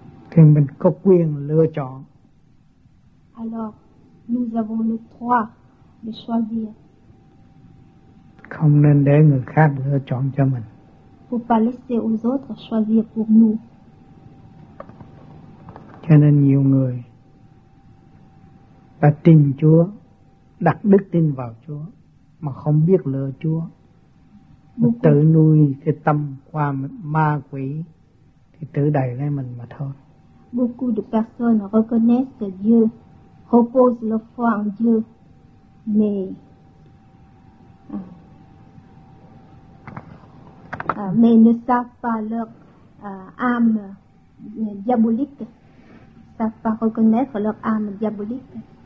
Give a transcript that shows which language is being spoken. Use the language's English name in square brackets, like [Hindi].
[Vietnamese] Thì mình có quyền lựa chọn. [French] Alors, nous avons le droit de choisir. [Vietnamese] Không nên để người khác lựa chọn cho mình. [French] Faut pas laisser aux autres choisir pour nous. [Vietnamese] Cho nên nhiều người đã tin Chúa, đặt đức tin vào Chúa mà không biết lựa Chúa, tự nuôi cái tâm qua ma quỷ thì tự đầy lấy mình mà thôi. [French] Beaucoup de personnes reconnaissent Dieu, reposent leur foi en Dieu, mais ne savent pas leur âme diabolique, ne savent pas reconnaître leur âme diabolique.